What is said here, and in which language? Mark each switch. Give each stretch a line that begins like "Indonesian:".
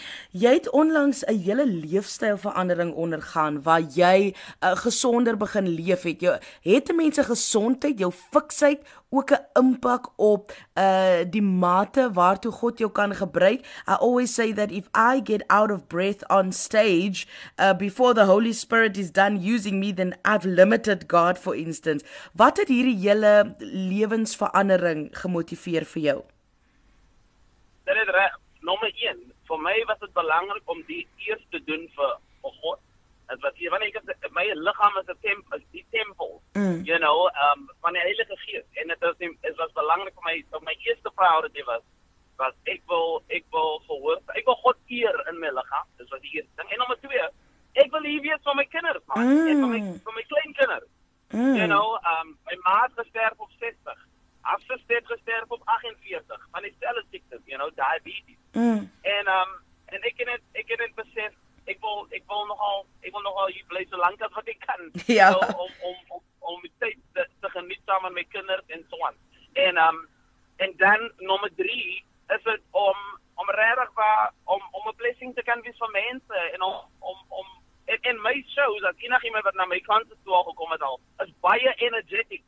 Afrikaans: Jy het onlangs 'n hele leefstylverandering ondergaan waar jy gesonder begin leef het. Jy het mense gesondheid, jou fiksheid ook 'n impak op die mate waartoe God jou kan gebruik.
English: I always say that if I get out of breath on stage before the Holy Spirit is done using me, then I've limited God, for instance.
Afrikaans: Wat het hierdie hele lewensverandering gemotiveer vir jou? Dit is nommer 1. Vir my was dit belangrik om die eers te doen vir God. Dit was hier, wanneer my lichaam is die tempel, you know, van die Heilige Geest. En het was belangrik om my eerste priority was ek wil gehoor, ek wil God eer in my lichaam. Dit was die eerste ding. En nommer 2, ek wil hier wees van my kinders, man. En van my kleinkinders. You know, my ma het gesterf op 60. Haar sister het gesterf op 48. Van die selle siektes, you know, diabetes. En ek het besef, Ek wil nogal hier bly so lank as wat ek kan. Ja. So, om die tyd te geniet saam met my kinders en so aan. En dan nommer 3 is het om regtig waar om 'n blessing te kan wees vir mense en om en my shows, as enigiemand wat na my concert toe al gekom het al, is baie energetic.